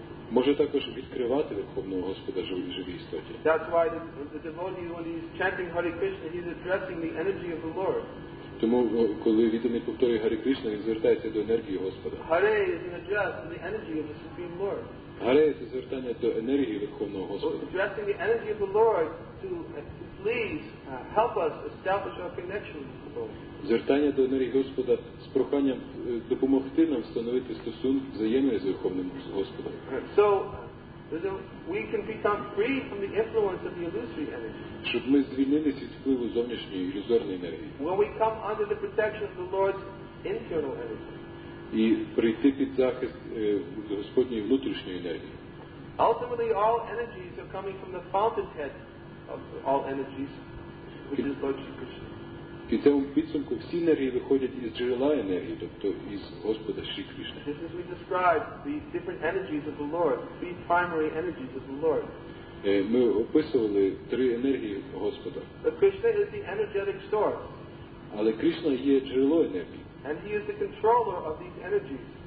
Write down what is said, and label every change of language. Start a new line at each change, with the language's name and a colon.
Ukrainian: Може також відкривати Верховного Господа живій істоті.
English: That's why the devotee when he's chanting Hare Krishna, he's addressing the energy of the Lord.
Ukrainian: Тому коли відомий повторює Гарі Кришна, він звертається до енергії Господа.
English: Hare is an address to the energy of the Supreme Lord.
Ukrainian: Hare це звертання до енергії Верховного Господа.
English: Addressing the energy of the Lord to please help us establish our connection with the Lord.
Ukrainian: Звертання до енергії Господа з проханням допомогти нам встановити стосунок взаємний з Верховним Господом.
English: So we can become free from the influence of the illusory energy.
Ukrainian: Щоб ми звільнилися від впливу зовнішньої ілюзорної енергії.
English: When we come under the protection of the Lord's internal energy.
Ukrainian: І прийти під захист Господньої внутрішньої енергії.
English: Ultimately, all energies are coming from the fountainhead of all energies, which is Lord Shri Krishna.
Ukrainian: Під цьому підсумку всі енергії виходять із джерела енергії, тобто із Господа Шрі Кришна.
English: Just as we described the different energies of the Lord, three primary energies of the Lord.
Ukrainian: Ми описували три енергії Господа.
English: But Krishna is the energetic source.
Ukrainian: Але Кришна є джерело енергії.
English: And he is the controller of these energies.